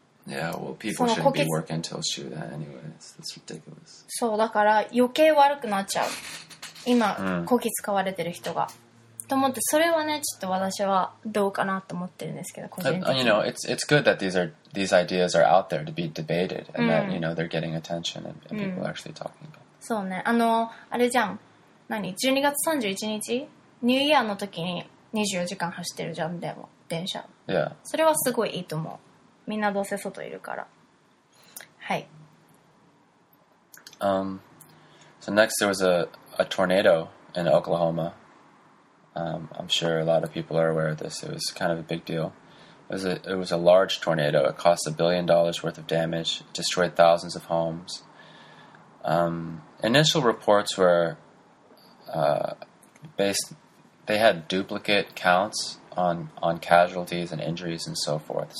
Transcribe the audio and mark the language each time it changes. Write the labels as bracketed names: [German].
[English] Yeah, well, people shouldn't be working until 終電 anyways. That's ridiculous. [Japanese] そうだから余計悪くなっちゃう。今こき使われてる人が、と思ってそれはねちょっと私はどうかなと思ってるんですけど個人的に。 [English] You know, it's good that these ideas are out there to be debated and that you know they're getting attention and people are actually talking about. [Japanese] そうね、あのあれじゃん何12月31日ニューイヤーの時に24時間走ってるじゃんでも電車、 [English] yeah. [Japanese] それはすごいいいと思うみんなどうせ外いるからはい、 [English] So next there was a tornado in Oklahoma、I'm sure a lot of people are aware of this it was kind of a big deal it was a large tornado it cost $1 billion worth of damage destroyed thousands of homesinitial reports were based, they had duplicate counts on casualties and injuries and so forth.